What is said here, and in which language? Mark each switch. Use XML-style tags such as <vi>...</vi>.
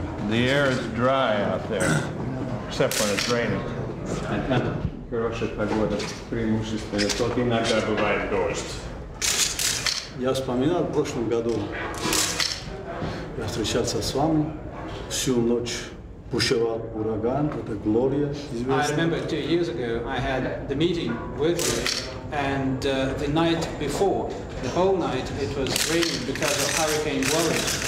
<en>The air is dry out there, except when it's raining.</en> <ru>Хорошая погода, преимущественно, тот иногда бывает дождь. Я вспоминал, в прошлом году я встречался с вами, всю ночь бушевал ураган, это Глория, известно.</ru> <en>I remember 2 years ago I had the meeting with you, and the night before, the whole night it was raining because of Hurricane Gloria.</en>